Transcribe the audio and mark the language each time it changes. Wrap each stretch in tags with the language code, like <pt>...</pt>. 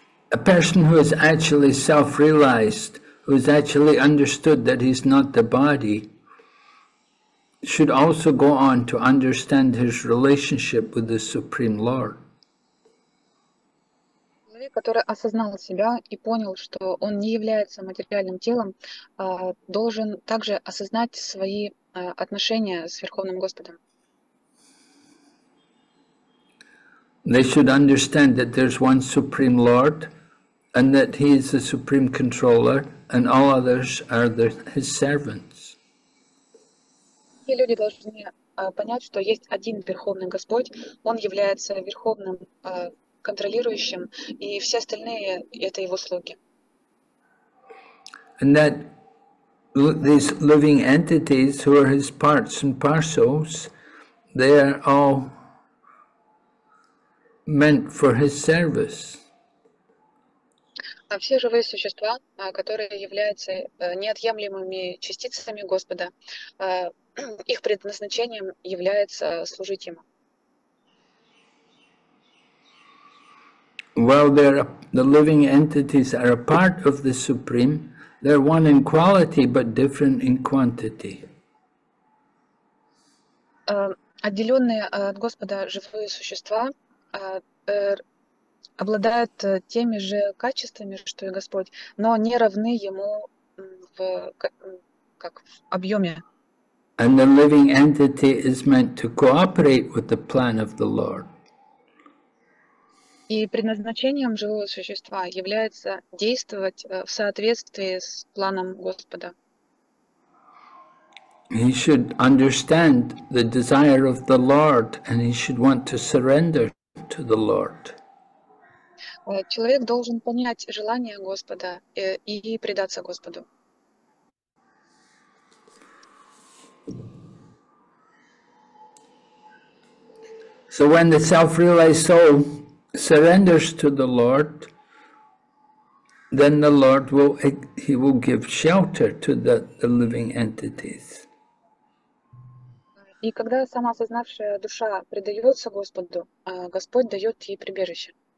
<en>A person who is actually self-realized, who has actually understood that he's not the body, should also go on to understand his relationship with the Supreme Lord.</en> <ru>Человек, который осознал себя и понял, что он не является материальным телом, должен также осознать свои отношения с Верховным Господом.</ru> <en>They should understand that there's one Supreme Lord, and that he is the Supreme Controller, and all others are his servants.</en> <ru>И люди должны понять, что есть один Верховный Господь, он является Верховным контролирующим, и все остальные — это его слуги.</ru> <en>And that these living entities, who are his parts and parcels, they are all meant for his service.</en> <ru>А все живые существа, которые являются неотъемлемыми частицами Господа, их предназначением является служить ему.</ru> <en>While the living entities are a part of the Supreme, they're one in quality but different in quantity.</en> <ru>Отделенные от Господа живые существа обладают теми же качествами, что и Господь, но не равны ему в объеме.</ru> <en>And the living entity is meant to cooperate with the plan of the Lord.</en> <ru>И предназначением живого существа является действовать в соответствии с планом Господа.</ru> <en>He should understand the desire of the Lord, and he should want to surrender to the Lord.</en> <ru>Человек должен понять желание Господа и предаться Господу.</ru> <en>So when the self-realized soul surrenders to the Lord, then the Lord will, he will give shelter to the living entities.</en> <ru>И когда самоосознавшая душа предается Господу, Господь дает ей прибежище.</ru>